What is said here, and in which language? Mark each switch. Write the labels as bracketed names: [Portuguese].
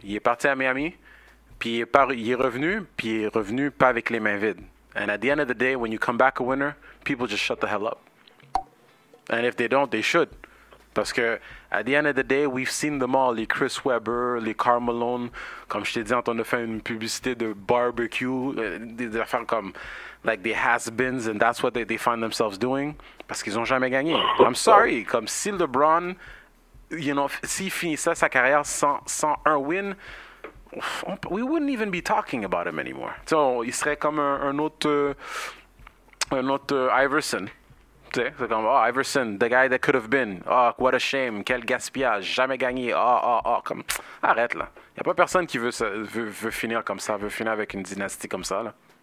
[French] Il est parti à Miami, puis il est revenu pas avec les mains vides. [English] And at the end of the day, when you come back a winner, people just shut the hell up. And if they don't, they should. [French] Parce que, [English] at the end of the day, we've seen them all, [French] les Chris Webber, les Karl Malone, comme je t'ai dit, en train de faire une publicité de barbecue, [English] des affaires comme, like, des has-beens, and that's what they find themselves doing, [French] parce qu'ils n'ont jamais gagné. [English] I'm sorry, [French] comme si LeBron, [English] you know, [French] s'il finissait sa carrière sans un win, [English] we wouldn't even be talking about him anymore. [French] So, il serait comme un autre Iverson. C'est comme, [English] oh, Iverson, the guy that could have been. Oh, what a shame. [French] Quel gaspillage. Jamais gagné. [English] Oh. [French] Comme, arrête, là. Il n'y a pas personne qui veut finir comme ça, veut finir avec une dynastie comme ça, là.